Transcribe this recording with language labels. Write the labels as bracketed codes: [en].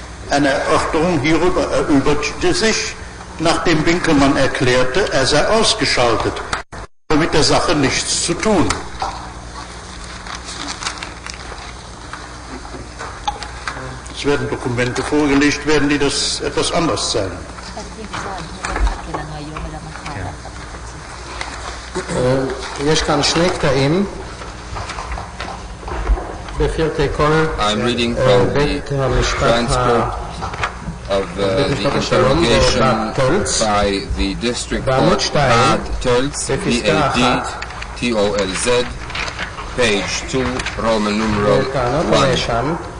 [de] Eine Erörterung hierüber erübrigte sich, nachdem Winkelmann erklärte, er sei ausgeschaltet, aber mit der Sache nichts zu tun. Es werden Dokumente vorgelegt werden, die das etwas anders zeigen. [he] יש כאן שני קטעים בפרטי כל בית המשפט [en] of the interrogation by the district court at Tölz, B-A-D, T-O-L-Z, page 2, Roman numero 1.